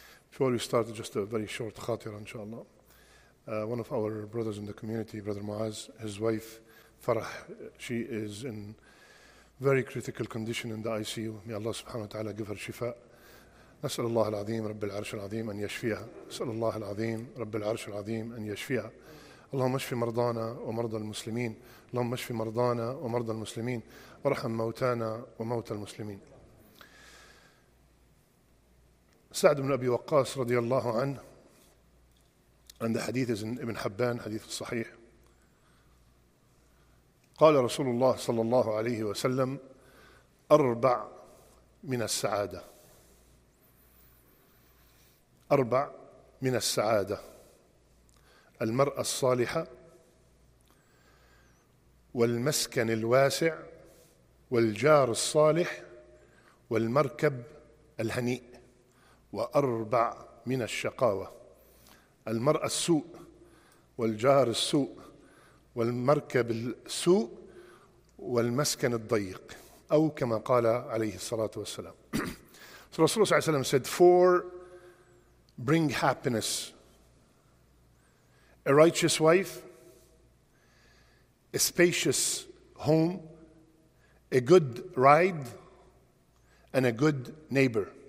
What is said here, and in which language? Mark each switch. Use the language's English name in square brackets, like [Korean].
[English] Before we start, just a very short khatir, inshallah. One of our brothers in the community, Brother Muaz, his wife, Farah, she is in very critical condition in the ICU. May Allah subhanahu wa ta'ala give her shifa. [Arabic] نسأل الله العظيم رب العرش العظيم أن يشفيها. نسأل الله العظيم رب العرش العظيم أن يشفيها. اللهم اشف مرضانا ومرضى المسلمين. اللهم اشف مرضانا ومرضى المسلمين. ورحم موتانا وموتى المسلمين. سعد بن أبي وقاص رضي الله عنه. عند حديث ابن حبان حديث الصحيح. قال رسول الله صلى الله عليه وسلم أربع من السعادة. أربع من السعادة: المرأة الصالحة، والمسكن الواسع، والجار الصالح، والمركب الهنيء. وأربع من الشقاوة: المرأة السوء، والجار السوء، والمركب السوء، والمسكن الضيق. أو كما قال عليه الصلاة والسلام. [English] So [Arabic] رسول الله صلى الله عليه وسلم [English] said, four bring happiness: a righteous wife, a spacious home, a good ride, and a good neighbor.